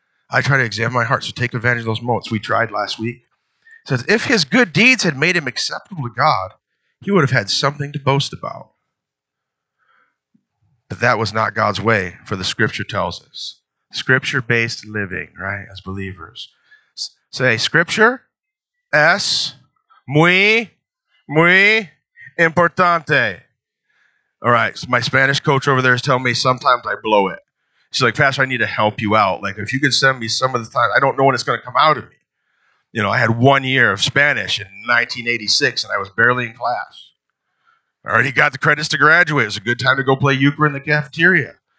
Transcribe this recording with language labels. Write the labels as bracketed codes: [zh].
[en] I try to examine my heart, so take advantage of those moments. We tried last week. It says, if his good deeds had made him acceptable to God, he would have had something to boast about. But that was not God's way, for the scripture tells us. Scripture-based living, right, as believers. [es] Say, scripture es muy, muy importante. [en] All right, so my Spanish coach over there is telling me sometimes I blow it. She's like, Pastor, I need to help you out. Like, if you could send me some of the time, I don't know when it's going to come out of me. You know, I had 1 year of Spanish in 1986, and I was barely in class. I already got the credits to graduate. It's a good time to go play euchre in the cafeteria.